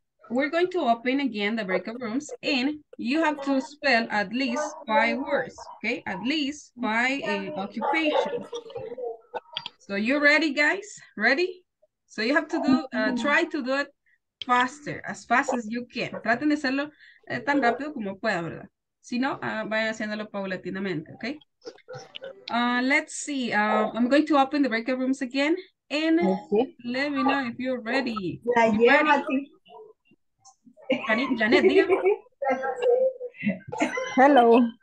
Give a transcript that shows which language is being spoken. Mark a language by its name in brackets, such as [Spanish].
[English] We're going to open again the breakout rooms, and you have to spell at least 5 words, okay? At least 5 occupations. So you ready, guys? Ready? So you have to do, try to do it faster, as fast as you can. [Spanish] Traten de hacerlo tan rápido como pueda, ¿verdad? Si no, vayan haciéndolo paulatinamente, okay? [English] Let's see, I'm going to open the breakout rooms again, and let me know if you're ready. [Spanish] Janet, dígame. [English] Hello.